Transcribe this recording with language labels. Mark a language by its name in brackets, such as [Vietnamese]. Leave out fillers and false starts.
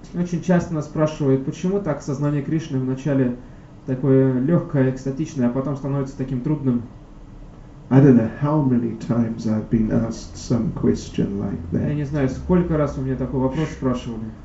[Russian] Очень часто нас спрашивают, почему так сознание Кришны вначале такое легкое, экстатичное, а потом становится таким трудным. [English] I don't know how many times I've been asked some question like that. [Russian] Я не знаю, сколько раз у меня такой вопрос спрашивали.